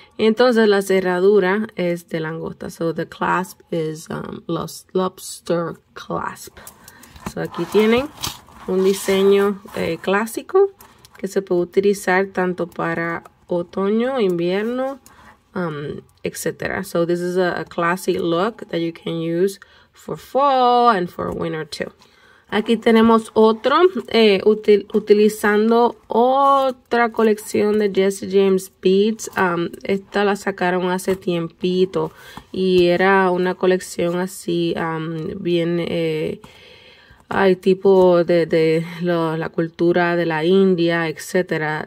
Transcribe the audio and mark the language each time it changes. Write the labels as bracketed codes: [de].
[es] Entonces, la cerradura es de langosta. [en] So, the clasp is lobster clasp. [es] So, aquí tienen un diseño clásico que se puede utilizar tanto para otoño, invierno, etc. [en] So, this is a classic look that you can use for fall and for winter too. [es] Aquí tenemos otro utilizando otra colección de Jesse James Beads. Esta la sacaron hace tiempito y era una colección así bien hay tipo de la cultura de la India, etcétera.